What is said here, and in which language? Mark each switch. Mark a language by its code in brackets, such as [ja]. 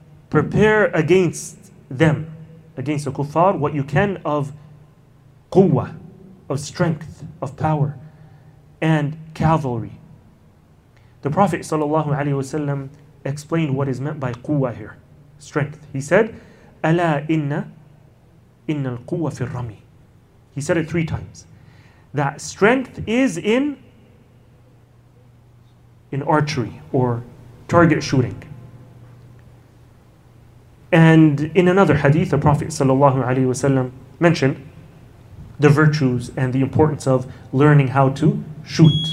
[en] Prepare against them, against the kuffar, what you can of quwwa, of strength, of power, and cavalry. The Prophet sallallahu alayhi wasallam explained what is meant by quwwa here, strength. He said, [ar] أَلَا إِنَّ الْقُوَّةِ فِي الرَّمِي. [en] He said it three times. That strength is in archery or target shooting. And in another hadith, the Prophet ﷺ mentioned the virtues and the importance of learning how to shoot.